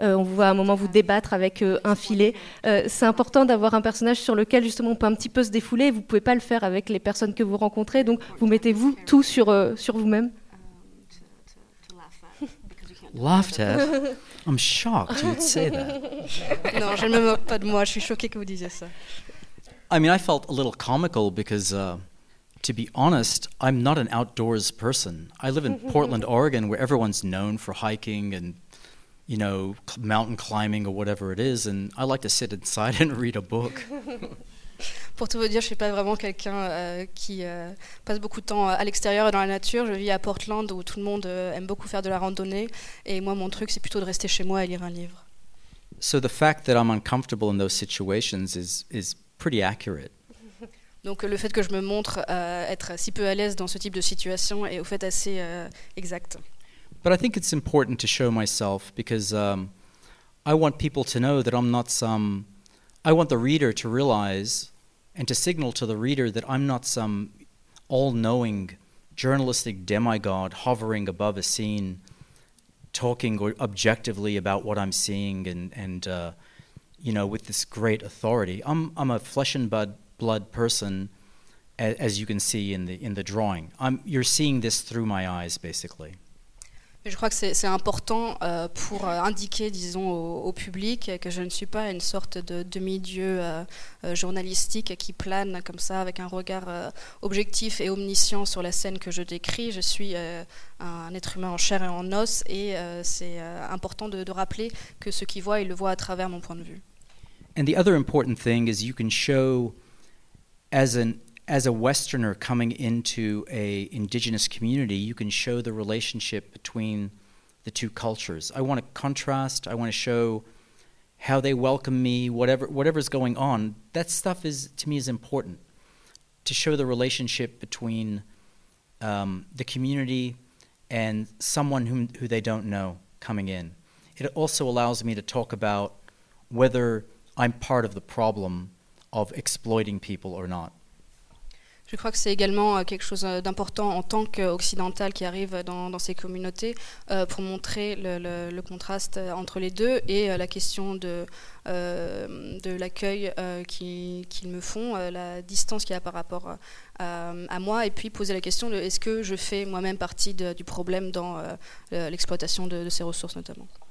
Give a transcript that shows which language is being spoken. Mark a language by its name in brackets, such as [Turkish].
[French] On vous voit à un moment vous débattre avec un filet. C'est important d'avoir un personnage sur lequel justement on peut un petit peu se défouler. Vous ne pouvez pas le faire avec les personnes que vous rencontrez, donc vous mettez vous tout sur vous-même. [English] Laughter? I'm shocked you would say that. [French] Non, je ne me moque pas de moi. Je suis choquée que vous disiez ça. [English] I mean, I felt a little comical because, to be honest, I'm not an outdoors person. I live in Portland, Oregon, where everyone's known for hiking and, you know, mountain climbing or whatever it is, and I like to sit inside and read a book. [French] Pour tout vous dire, je ne suis pas vraiment quelqu'un qui passe beaucoup de temps à l'extérieur et dans la nature. Je vis à Portland où tout le monde aime beaucoup faire de la randonnée. Et moi, mon truc, c'est plutôt de rester chez moi et lire un livre. [English] So the fact that I'm uncomfortable in those situations is pretty accurate. [French] Donc le fait que je me montre être si peu à l'aise dans ce type de situation est au fait assez exact. [English] But I think it's important to show myself because I want people to know that I'm not some... I want the reader to realize and to signal to the reader that I'm not some all-knowing journalistic demigod hovering above a scene, talking objectively about what I'm seeing and you know, with this great authority. I'm a flesh and blood person, as you can see in the drawing. You're seeing this through my eyes, basically. [French] Je crois que c'est important pour indiquer, disons, au public que je ne suis pas une sorte de demi-dieu journalistique qui plane comme ça avec un regard objectif et omniscient sur la scène que je décris. Je suis un être humain en chair et en os et c'est important de rappeler que ceux qui voient, ils le voient à travers mon point de vue. [English] And the other important thing is you can show as a Westerner coming into a indigenous community, you can show the relationship between the two cultures. I want to contrast, I want to show how they welcome me, whatever's going on. That stuff is, to me, is important. To show the relationship between the community and someone who they don't know coming in. It also allows me to talk about whether I'm part of the problem of exploiting people or not. [French] Je crois que c'est également quelque chose d'important en tant qu'occidental qui arrive dans ces communautés pour montrer le contraste entre les deux et la question de l'accueil qu'ils me font, la distance qu'il y a par rapport à moi, et puis poser la question de est-ce que je fais moi-même partie du problème dans l'exploitation de ces ressources notamment.